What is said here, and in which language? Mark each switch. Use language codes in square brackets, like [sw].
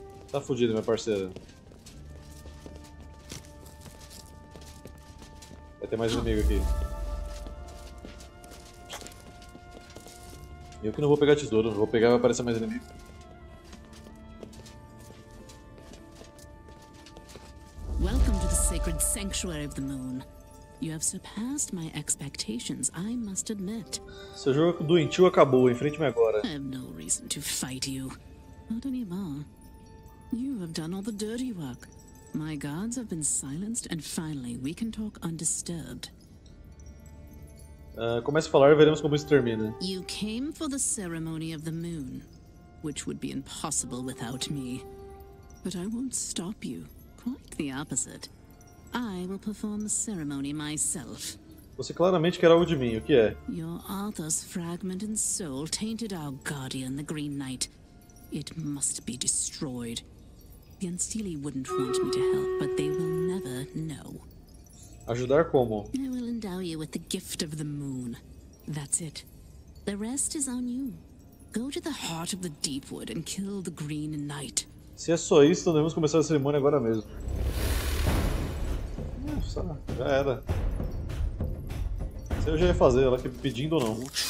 [pt] Tá fudido, minha parceira. Vai ter mais inimigo aqui. Eu que não vou pegar tesouro, vou pegar e vai aparecer mais inimigo. [en] Welcome to the sacred sanctuary of the moon. You have surpassed my expectations, I must admit. [pt] Seu jogo doentio acabou, enfrente-me agora. [en] I have no reason to fight you. Not anymore. You have done all the dirty work. My guards have been silenced and finally we can talk undisturbed. [pt] Comece a falar e veremos como isso termina. [en] You came for the ceremony of the moon, which would be impossible without me. But I won't stop you. Quite the opposite. I will perform the ceremony myself. [pt] Você claramente quer algo de mim. O que é? [en] Your Arthur's fragment and soul tainted our guardian, the Green Knight. It must be destroyed. The Unsteely wouldn't want me to help, but they will never know. [pt] Ajudar como? [en] I will endow you with the gift of the moon. That's it. The rest is on you. Go to the heart of the Deepwood and kill the Green Knight. [pt] Se é só isso, então devemos começar a cerimônia agora mesmo. Nossa, já era. Isso eu já ia fazer, ela que pedindo ou não.